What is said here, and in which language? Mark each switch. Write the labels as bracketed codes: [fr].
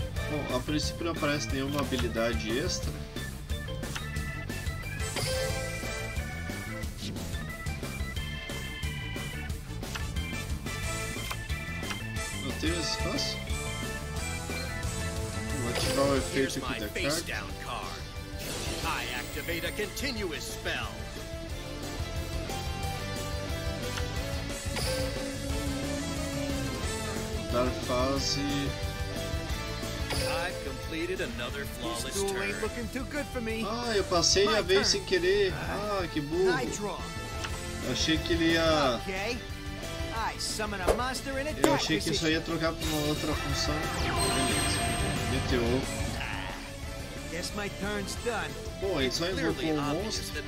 [pt] Bom, a princípio não aparece nenhuma habilidade extra. Espaço. Vou ativar o efeito aqui da carta. [en] I activate a continuous spell. [pt] Mudar fase. [en] I've completed another flawless turn. Ain't looking too good for me. [pt] Ah, eu passei a vez sem querer. Ah, que burro. Achei que ele ia. [en] Okay. [pt] Eu achei que isso ia trocar para uma outra função. Beleza. Meteu. Bom, ele só invocou um monstro.